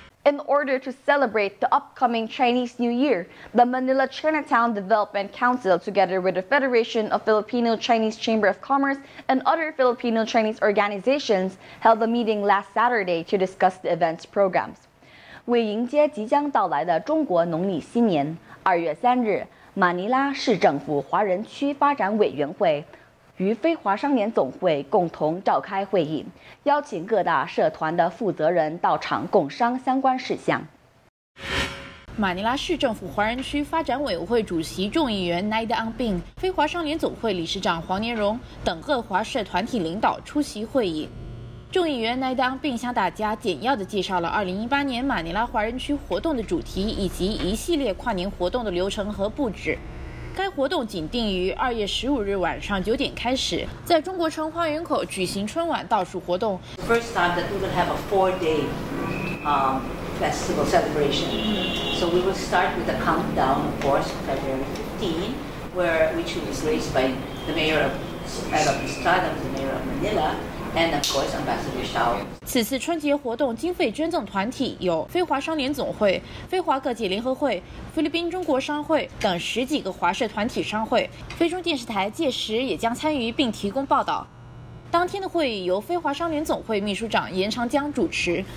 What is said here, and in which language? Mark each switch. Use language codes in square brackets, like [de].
[en] In order to celebrate the upcoming Chinese New Year, the Manila Chinatown Development Council, together with the Federation of Filipino Chinese Chamber of Commerce and other Filipino Chinese organizations, held a meeting last Saturday to discuss the event's programs. [zh] 为迎接即将到来的中国农历新年，二月三日，马尼拉市政府华人区发展委员会与非华商联总会共同召开会议，邀请各大社团的负责人到场共商相关事项。马尼拉市政府华人区发展委员会主席众议员 Naida Ang Bing、非华商联总会理事长黄年荣等各华社团体领导出席会议。众议员 Naida Ang Bing 向大家简要地介绍了2018年马尼拉华人区活动的主题以及一系列跨年活动的流程和布置。该活动仅定于2月15日晚上9点开始，在中国城花园口举行春晚倒数活动。 [en] First time that we will have a four-day festival celebration. So we will start with a countdown, of course, February 15, which was raised by the mayor of Manila and of course Ambassador Shao. [zh] 此次春节活动经费捐赠团体有非华商联总会、非华各界联合会、菲律宾中国商会等十几个华社团体商会，非中电视台届时也将参与并提供报道。当天的会议由非华商联总会秘书长严长江主持。